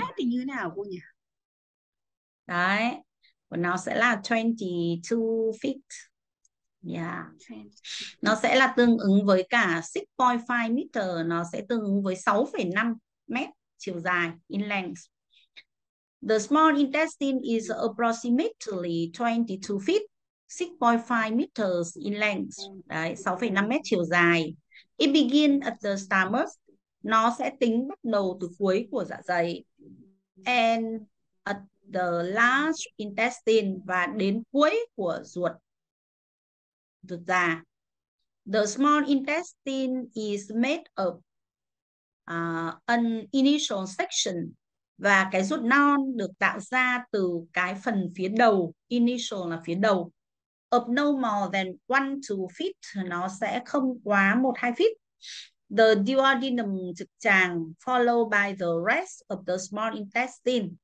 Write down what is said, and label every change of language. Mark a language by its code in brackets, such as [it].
[vi] mét thì như thế nào cô nhỉ? Đấy, của nó sẽ là 22 feet. Nó sẽ là tương ứng với cả 6.5 meter, nó sẽ tương ứng với 6.5 mét chiều dài, in length. [en] The small intestine is approximately 22 feet, 6.5 meters in length. [vi] Đấy, 6.5 mét chiều dài. It begin at the stomach. Nó sẽ tính bắt đầu từ cuối của dạ dày. And at the large intestine, và đến cuối của ruột ruột già. [en] The small intestine is made of an initial section. [vi] Và cái ruột non được tạo ra từ cái phần phía đầu, initial là phía đầu. [en] Of no more than 1-2 feet, nó sẽ không quá 1-2 feet. The duodenum trực tràng followed by the rest of the small intestine.